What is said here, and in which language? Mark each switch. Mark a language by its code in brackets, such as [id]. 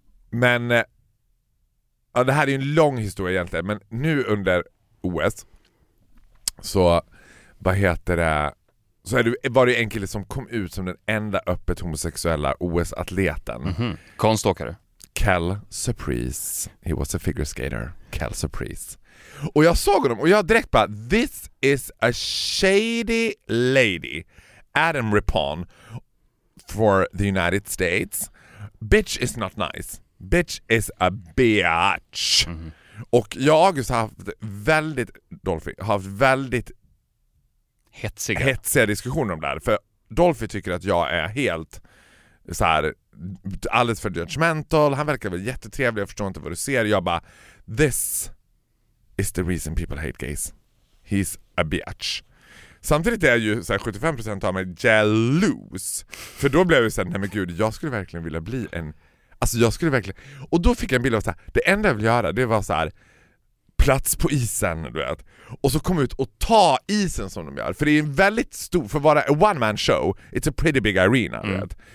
[sv] Men ja, det här är ju en lång historia egentligen, men nu under OS, så vad heter det, så är du, var det en kille som kom ut som den enda öppet homosexuella OS-atleten. Mm-hmm. Konståkare. [en] Kel Surprise. He was a figure skater. Kel Surprise. [sv] Och jag såg honom och jag direkt bara, [en] this is a shady lady. Adam Rippon for the United States. Bitch is not nice. Bitch is a bitch. Mm-hmm. [sv] Och jag har haft väldigt, Dolphy, haft väldigt hetsiga diskussioner om det här. För Dolphy tycker att jag är helt så här, alldeles för judgmental. Han verkar väl jättetrevlig, jag förstår inte vad du ser. Jag bara, [en] this is the reason people hate gays. He's a bitch. [sv] Samtidigt är ju så här, 75% av mig jealous. För då blev jag så här, nej men gud, jag skulle verkligen vilja bli en... Alltså jag skulle verkligen... Och då fick jag en bild av så här, det enda jag vill göra, det var så här, plats på isen, du vet. Och så kom ut och ta isen som de gör. För det är en väldigt stor, för att vara [en] a one man show, it's a pretty big arena, [sv] du vet.